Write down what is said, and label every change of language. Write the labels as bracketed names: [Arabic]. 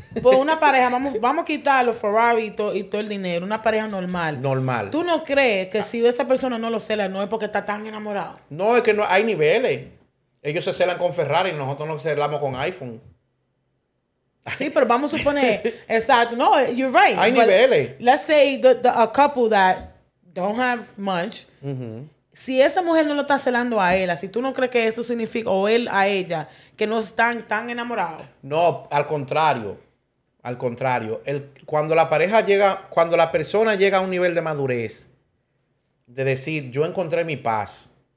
[Spanish] Pues una pareja, vamos a quitar los Ferrari y todo el dinero. Una pareja normal. Normal. ¿Tú no crees que si esa persona no lo cela, no es porque está tan enamorado? No, es que no hay niveles. Ellos se celan con Ferrari y nosotros nos celamos con iPhone. Sí, pero vamos a suponer. Exacto. [English] No, you're right. [Spanish] Hay niveles. [English] Let's say a couple that don't have much. Mm-hmm. [Spanish] Si esa mujer no lo está celando a él, si tú no crees que eso significa, o él a ella, que no están tan enamorados. No, al contrario. Al contrario. Cuando la persona llega a un nivel de madurez, de decir, yo encontré mi paz.